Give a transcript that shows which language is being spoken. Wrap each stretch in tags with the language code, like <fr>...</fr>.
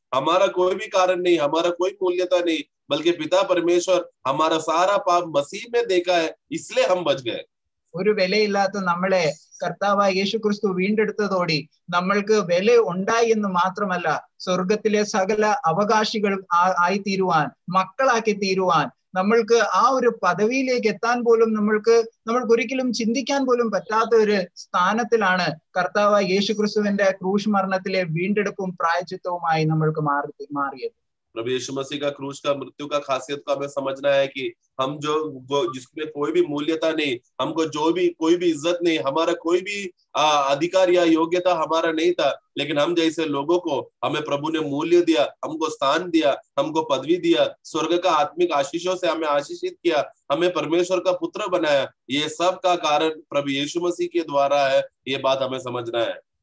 <hi>हमारा कोई भी कारण नहीं, हमारा कोई मूल्यता नहीं, बल्कि पिता परमेश्वर हमारा सारा पाप मसीह में देखा है, इसलिए हम बच गए।</hi> <ml>ഒരു വിലയില്ലാത്ത നമ്മളെ കർത്താവായ യേശു ക്രിസ്തു വീണ്ടെടുത്തതോടെ നമ്മൾക്ക് വില ഉണ്ടായി എന്ന് മാത്രമല്ല, സ്വർഗത്തിലെ സകല അവകാശികൾ ആയി തീരുവാൻ, മക്കളാക്കി തീരുവാൻ നമ്മൾക്ക് ആ ഒരു പദവിയിലേക്ക് എത്താൻ പോലും നമ്മൾക്ക് ഒരിക്കലും ചിന്തിക്കാൻ പോലും പറ്റാത്ത ഒരു സ്ഥാനത്തിലാണ് കർത്താവായ യേശു ക്രിസ്തുവിന്റെ ക്രൂശ് മരണത്തിലെ വീണ്ടെടുപ്പും പ്രായച്ചിത്തവുമായി നമ്മൾക്ക് മാറിയത്।</ml> <hi>प्रभु यीशु मसीह का क्रूस का मृत्यु का खासियत को हमें समझना है कि हम जो जिसमें कोई भी मूल्यता नहीं, हमको जो भी कोई भी इज्जत नहीं, हमारा कोई भी अधिकार या योग्यता हमारा नहीं था, लेकिन हम जैसे लोगों को हमें प्रभु ने मूल्य दिया, हमको स्थान दिया, हमको पदवी दिया, स्वर्ग का आत्मिक आशीषों से हमें आशीषित किया, हमें परमेश्वर का पुत्र बनाया, ये सब का कारण प्रभु यीशु मसीह के द्वारा है, ये बात हमें समझना है।</hi>